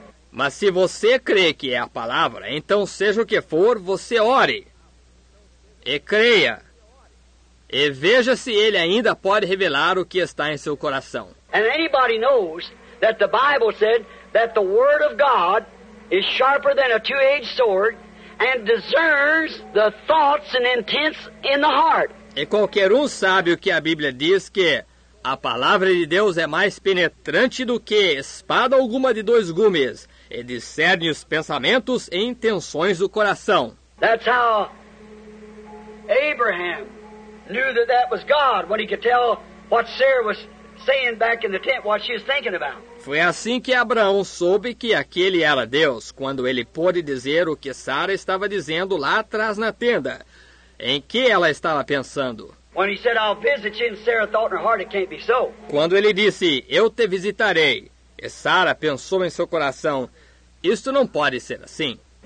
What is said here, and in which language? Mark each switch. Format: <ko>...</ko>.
<pt>Mas se você crê que é a palavra, então seja o que for, você ore e creia e veja se ele ainda pode revelar o que está em seu coração.</pt> <en>And anybody knows that the Bible said that the word of God is sharper than a two-edged sword and discerns the thoughts and intents in the heart.</en> <pt>E qualquer um sabe o que a Bíblia diz que a palavra de Deus é mais penetrante do que espada alguma de dois gumes. E discerne os pensamentos e intenções do coração.</pt> <en>That's how Abraham knew that that was God when he could tell what Sarah was saying back in the tent, what she was thinking about.</en> <pt>Foi assim que Abraão soube que aquele era Deus, quando ele pôde dizer o que Sara estava dizendo lá atrás na tenda, em que ela estava pensando.</pt> <en>When he said, I'll visit you, and Sarah thought in her heart it can't be so.</en> <pt>Quando ele disse, eu te visitarei. E Sara pensou em seu coração, isto não pode ser assim.</pt>